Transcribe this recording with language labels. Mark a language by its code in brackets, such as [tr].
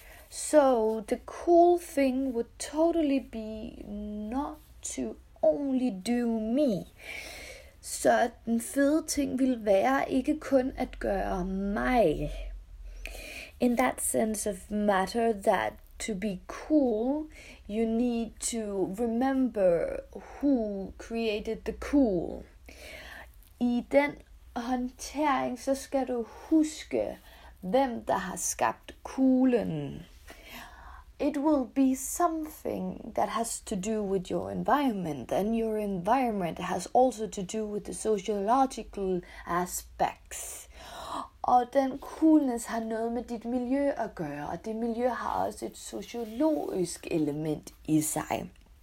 [en] So the cool thing would totally be not to only do me. [da] Så den fede ting ville være ikke kun at gøre mig. [en] In that sense of matter that to be cool, you need to remember who created the cool. [da] I den håndtering, så skal du huske, hvem der har skabt coolen. [en] It will be something that has to do with your environment, and your environment has also to do with the sociological aspects. [da] Og den coolness har noget med dit miljø at gøre, og det miljø har også et sociologisk element i sig.